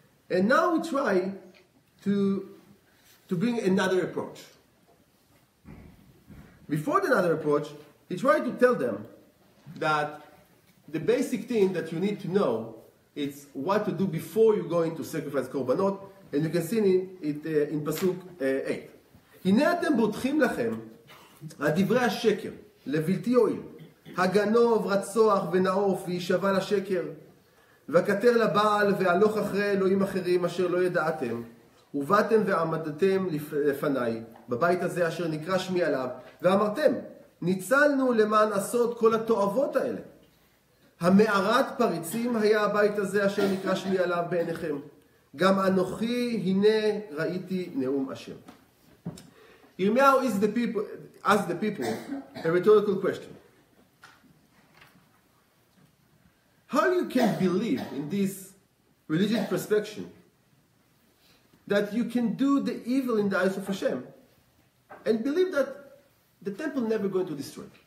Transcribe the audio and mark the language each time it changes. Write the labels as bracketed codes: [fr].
[en] And now we try to bring another approach. Before the another approach, he tried to tell them that the basic thing that you need to know is what to do before you go into sacrifice korbanot, and you can see it in Pasuk 8. [he] הנה אתם בוטחים לכם הדברי השקר לבלתי הועיל. הגנוב, רצוח ונאוף וישבע לשקר וכתר לבעל והלוך אחרי אלוהים אחרים אשר לא ידעתם ובאתם ועמדתם לפניי בבית הזה אשר נקרא שמי עליו ואמרתם ניצלנו למען עשות כל התואבות האלה המערת פריצים היה הבית הזה אשר נקרא שמי עליו בעיניכם. גם אנוכי הנה ראיתי נאום השם. [en] Yirmiyahu is the people, ask the people a rhetorical question. How you can believe in this religious perspective that you can do the evil in the eyes of Hashem and believe that the temple never going to destroy?